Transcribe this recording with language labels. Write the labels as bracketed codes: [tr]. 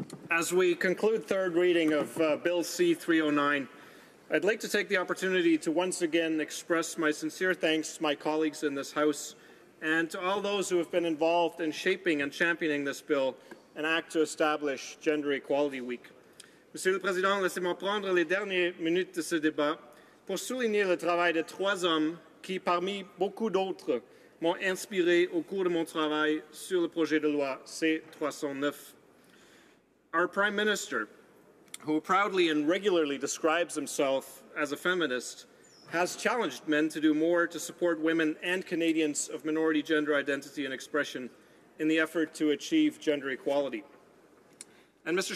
[en] As we conclude third reading of Bill C-309, I'd like to take the opportunity to once again express my sincere thanks to my colleagues in this House and to all those who have been involved in shaping and championing this bill, an act to establish Gender Equality Week. [fr] Monsieur le Président, laissez-moi prendre les dernières minutes de ce débat pour souligner le travail de trois hommes qui, parmi beaucoup d'autres, m'ont inspiré au cours de mon travail sur le projet de loi C-309. [en] Our Prime Minister, who proudly and regularly describes himself as a feminist, has challenged men to do more to support women and Canadians of minority gender identity and expression in the effort to achieve gender equality. And Mr.